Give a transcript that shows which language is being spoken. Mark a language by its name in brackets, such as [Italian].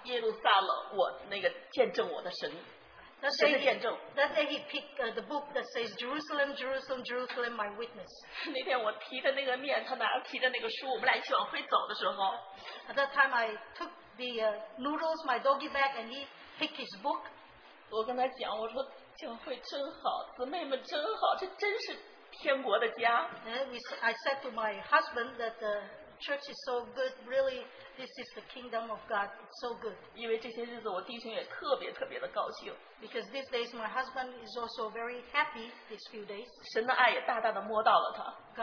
[Chinese] 他居然那天选了一本《耶路撒冷，耶路撒冷，我那个见证我的神》。 [English] That day he picked the book that says Jerusalem, Jerusalem, Jerusalem, my witness. [Chinese] 那天我提的那个面，他拿提的那个书，我们俩一起往回走的时候。 [English] At that time, I took the noodles, my doggy bag, and he picked his book. [Chinese] 我跟他讲，我说教会真好，姊妹们真好，这真是天国的家。 [English] I said to my husband that the church is so good, really. This is the kingdom of God. It's so good. [Chinese] 因为这些日子，我弟兄也特别特别的高兴。 [English] Because these days, my husband is also very happy. These few days, [Chinese] 神的爱也大大的摸到了他。